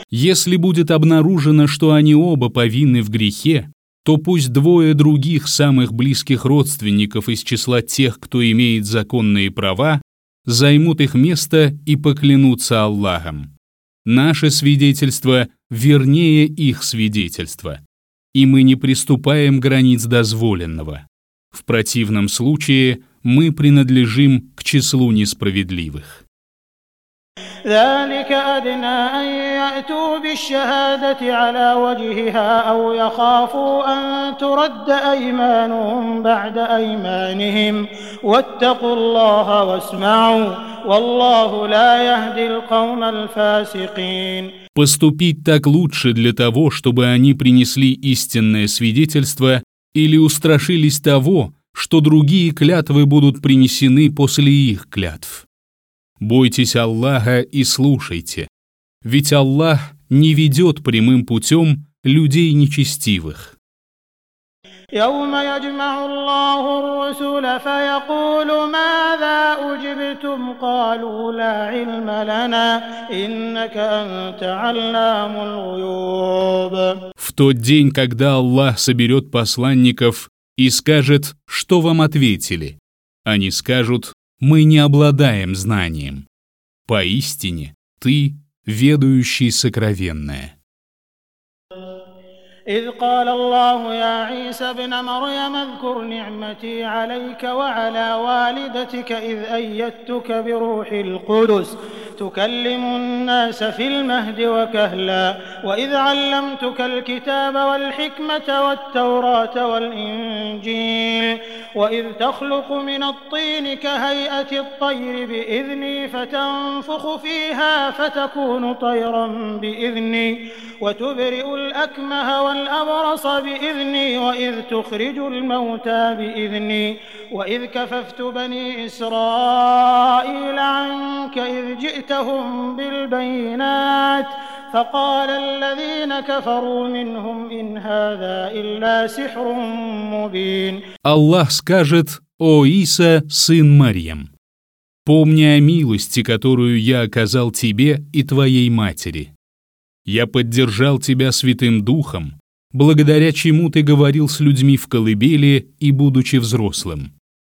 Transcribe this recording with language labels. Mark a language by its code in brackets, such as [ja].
[ru] Если будет обнаружено, что они оба повинны в грехе, то пусть двое других самых близких родственников из числа тех, кто имеет законные права, займут их место и поклянутся Аллахом. Наше свидетельство вернее их свидетельства, и мы не приступаем границ дозволенного. В противном случае мы принадлежим к числу несправедливых. [ar] ذلك أدنى أن يأتوا بالشهادة على وجهها أو يخافوا أن ترد أيمانهم بعد أيمانهم واتقوا الله واسمعوا والله لا يهدي القوم الفاسقين. [ru] Поступить так лучше для того, чтобы они принесли истинное свидетельство или устрашились того, что другие клятвы будут принесены после их клятв. Бойтесь Аллаха и слушайте, ведь Аллах не ведет прямым путем людей нечестивых. [ar] يَوْمَ يَجْمَعُ اللَّهُ الرُّسُلَ فَيَقُولُ مَاذَا أُجِبْتُمْ قَالُوا لَا عِلْمَ لَنَا إِنَّكَ أَنْتَ عَلَّامُ الْغُيُوبِ. [ru] В тот день, когда Аллах соберет посланников и скажет, что вам ответили, они скажут: мы не обладаем знанием. Поистине, ты ведающий сокровенное. [ar] إذ قال الله يا عيسى ابن مريم اذكر نعمتي عليك وعلى والدتك إذ أيدتك بروح القدس تكلم الناس في المهد وكهلا وإذ علمتك الكتاب والحكمة والتوراة والإنجيل وإذ تخلق من الطين كهيئة الطير بإذني فتنفخ فيها فتكون طيرا بإذني وتبرئ الأكمه والأبرص والأبرص بإذني وإذ تخرج الموتى بإذني وإذ كففت بني إسرائيل عنك إذ جئتهم بالبينات فقال الذين كفروا منهم إن هذا إلا سحر مبين. [ru] الله скажет: «О Иса, сын Марьям! Помни о милости, которую я оказал тебе и твоей матери. Я поддержал тебя Святым Духом, благодаря чему ты говорил с людьми в колыбели и будучи взрослым.